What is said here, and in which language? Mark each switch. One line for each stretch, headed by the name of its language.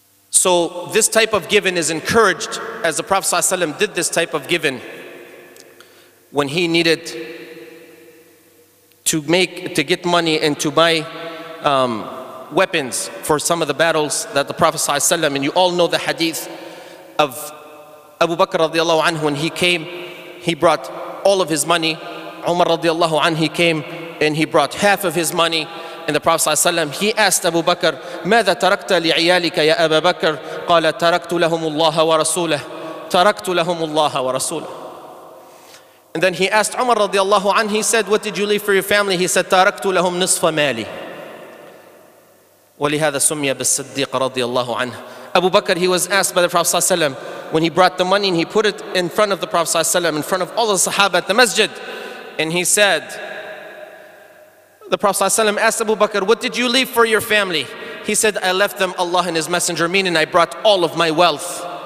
English: So this type of giving is encouraged, as the Prophet ﷺ did this type of giving when he needed to get money and to buy weapons for some of the battles that the Prophet ﷺ, and you all know the hadith of Abu Bakr radiallahu anhu, when he came, he brought all of his money. Umar radiallahu anhu, he came and he brought half of his money. And the Prophet ﷺ, he asked Abu Bakr,
Arabic: ماذا تركت لعيالك يا أبا بكر؟ قال تركت لهم الله ورسوله. تركت لهم الله ورسوله.
English: And then he asked Umar radiallahu anhu, he said, what did you leave for your family? He said,
Arabic: تركت لهم نصف مالي. ولهذا سمي بالصديق radiallahu anhu.
English: Abu Bakr, he was asked by the Prophet ﷺ, when he brought the money and he put it in front of the Prophet ﷺ, in front of all the Sahaba at the masjid, and he said, the Prophet ﷺ asked Abu Bakr, what did you leave for your family? He said, I left them Allah and His Messenger, meaning I brought all of my wealth.